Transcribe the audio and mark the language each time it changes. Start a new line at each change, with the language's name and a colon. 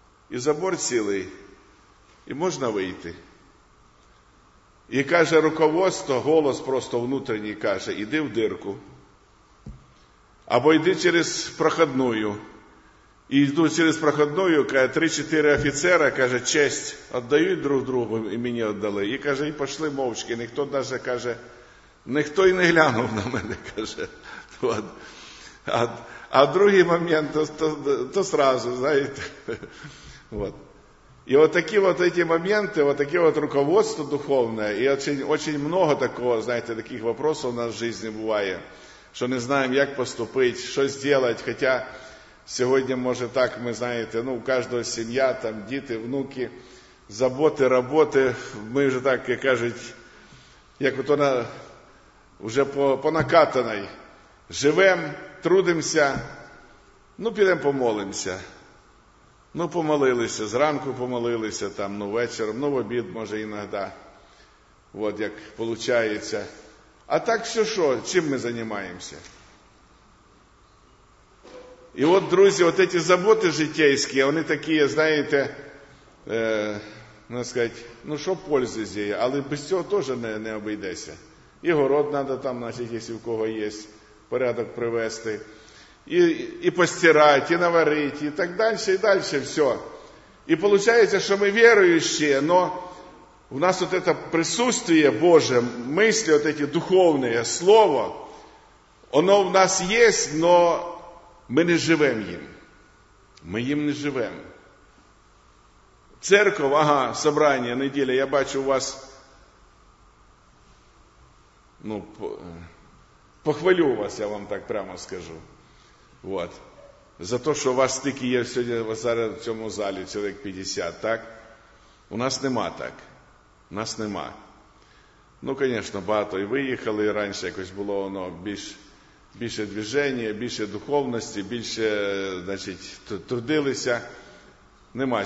Russian: И забор цілий, и можно выйти. И, каже, руководство, голос просто внутренний, каже, иди в дырку, або иди через проходную. И иду через проходную, каже, 3-4 офицера, каже, честь отдають друг другу, и мені отдали.
Ukrainian: И, каже, и пошли мовчки, ніхто даже, каже, ніхто і не глянув на мене, каже. От. А другий момент, то сразу, знаєте. От. І отакі от ці моменти, отаке от руководство духовне, і дуже багато такого, знаєте, таких вопросів у нас в житті буває, що не знаємо, як поступити, що зробити, хоча сьогодні, може так, ми знаєте, ну, у кожного сім'я, там, діти, внуки, заботи, роботи, ми вже так, як кажуть, як от вона уже по накатанной.
Russian: Живем, трудимся, ну, пойдем помолимся.
Ukrainian: Ну, помолилися, зранку помолилися, там, ну, вечером, ну, в обід, може, иногда. Вот, як получается. А так все що, чим ми займаємося?
Russian: И вот, друзья, вот эти заботы житейские, они такие, знаете, надо сказать, ну что пользы здесь,
Ukrainian: але без цього тоже не обойдеться.
Russian: И город надо там, значит, если у кого есть, порядок привести. И постирать, и наварить, и дальше все. И получается, что мы верующие, но у нас вот это присутствие Божие, мысли вот эти духовные, слово, оно у нас есть, но мы не живем им. Мы им не живем. Церковь, ага, собрание, неделя, я бачу у вас, ну, похвалю вас, я вам так прямо скажу. Вот.
Ukrainian: За то, що у вас тільки є сьогодні, зараз в цьому залі чоловік 50, так? У нас нема так. У нас нема. Ну, звісно, багато і виїхали, і раніше якось було воно більше движення, більше духовності, більше, значить, трудилися. Нема.